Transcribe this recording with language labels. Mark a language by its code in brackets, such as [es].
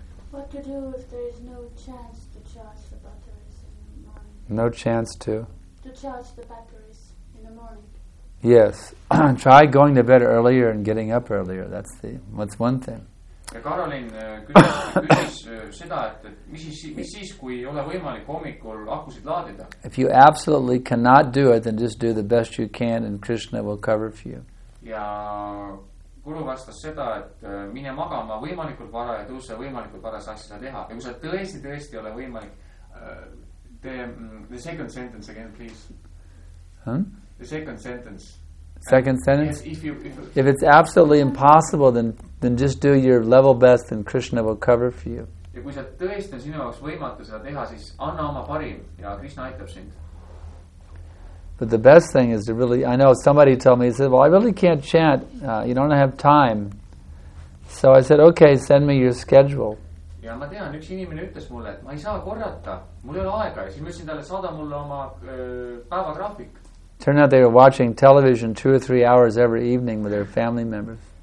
[en] What to do if there is no chance to charge the batteries in the morning? No chance to? To charge the batteries in the morning. Yes. Try going to bed earlier and getting up earlier. That's one thing. [et] Ja Karolin küsis seda, et mis siis, kui ei ole võimalik hommikul akkusid laadida? [en] If you absolutely cannot do it, then just do the best you can and Krishna will cover for you. [et] Ja Guru vastas seda, et mine magama võimalikult vara ja tõuse võimalikult vara saaks seda teha. Ja kui sa tõesti ole võimalik, [en] the second sentence again, please. The second sentence. Second sentence? Yes, if it's absolutely impossible, then just do your level best and Krishna will cover for you. [et] Ja kui sa tõest on sinu jaoks võimatu seda teha, siis anna oma parim ja Krishna aitab sind. [en] But the best thing is to really, I know somebody told me, he said, well, I really can't chant, you don't have time. So I said, okay, send me your schedule. [et] Ja ma tean, üks inimene ütles mulle, et ma ei saa korrata, mul ei ole aega. Ja siis ma ütlesin talle, saada mulle oma päevagraafik. [en] Turn out they were watching television 2 or 3 hours every evening with their family members.